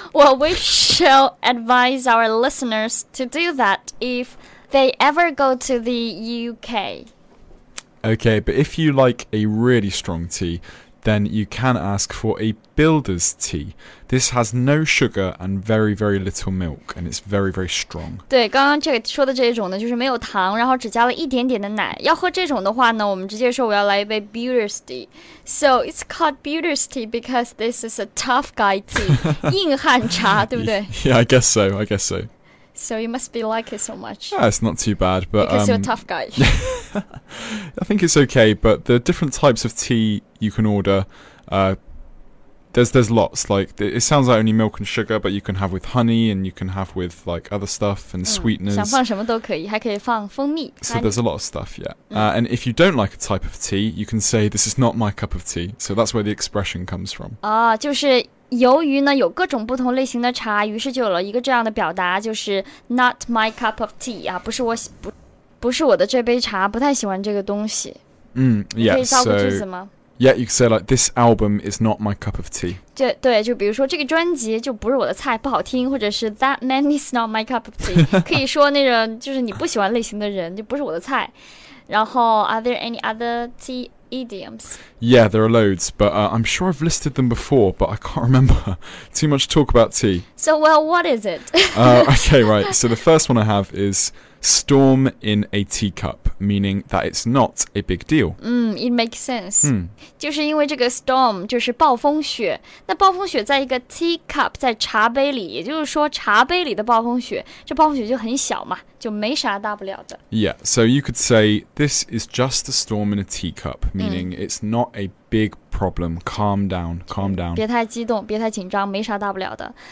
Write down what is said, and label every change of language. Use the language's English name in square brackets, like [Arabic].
[English] Well, we shall advise our listeners to do that if they ever go to the UK. Okay, but if you like a really strong tea... then you can ask for a builder's tea. This has no sugar and very, very little milk, and it's very, very strong. [Chinese] 对，刚刚这个说的这种呢，就是没有糖，然后只加了一点点的奶。要喝这种的话呢，我们直接说我要来一杯 builder's tea. [English] So it's called builder's tea because this is a tough guy tea, [Chinese] 硬汉茶，对不对？ [English] Yeah, I guess so, I guess so. So you must be like it so much. Yeah, it's not too bad, but... Because you're a tough guy. I think it's okay, but the different types of tea you can order, there's lots. Like, it sounds like only milk and sugar, but you can have with honey, and you can have with, like, other stuff and sweeteners. [Chinese] 想放什么都可以，还可以放蜂蜜。 [English] So there's a lot of stuff, yeah. And if you don't like a type of tea, you can say, this is not my cup of tea. So that's where the expression comes from. [Chinese] 就是由于呢有各种不同类型的茶，于是就有了一个这样的表达，就是 [English] not my cup of tea [Chinese] 啊，不是我不是我的这杯茶，不太喜欢这个东西。 [English] Yeah, [Chinese] 可以造个句子吗？ [English] So, yeah, you could say like this album is not my cup of tea. [Chinese] 对，就比如说这个专辑就不是我的菜，不好听，或者是 [English] that man is not my cup of tea. [Chinese] 可以说那种就是你不喜欢类型的人就不是我的菜。然后 [English] are there any other tea? Idioms. Yeah, there are loads, but I'm sure I've listed them before, but I can't remember. Too much talk about tea. So, well, what is it? okay, right. So the first one I have is storm in a teacup, meaning that it's not a big deal. It makes sense. [Chinese] 就是因为这个 storm 就是暴风雪，那暴风雪在一个 teacup 在茶杯里，也就是说茶杯里的暴风雪，这暴风雪就很小嘛，就没啥大不了的。 [English] Yeah, so you could say this is just a storm in a teacup, meaning it's not a big problem. Calm down, calm down. [Chinese] 别太激动，别太紧张，没啥大不了的。